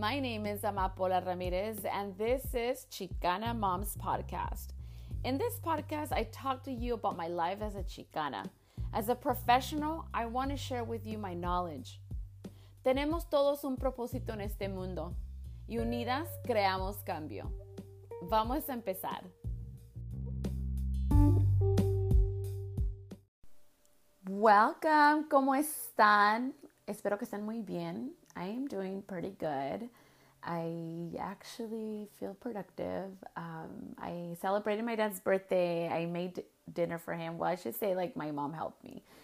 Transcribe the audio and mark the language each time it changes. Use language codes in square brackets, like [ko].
[en] My name is Amapola Ramirez, and this is Chicana Moms Podcast. In this podcast, I talk to you about my life as a Chicana. As a professional, I want to share with you my knowledge. [es] Tenemos todos un propósito en este mundo, y unidas creamos cambio. Vamos a empezar. Welcome. ¿Cómo están? Espero que estén muy bien. [en] I am doing pretty good. I actually feel productive. I celebrated my dad's birthday. I made dinner for him. Well, I should say like my mom helped me.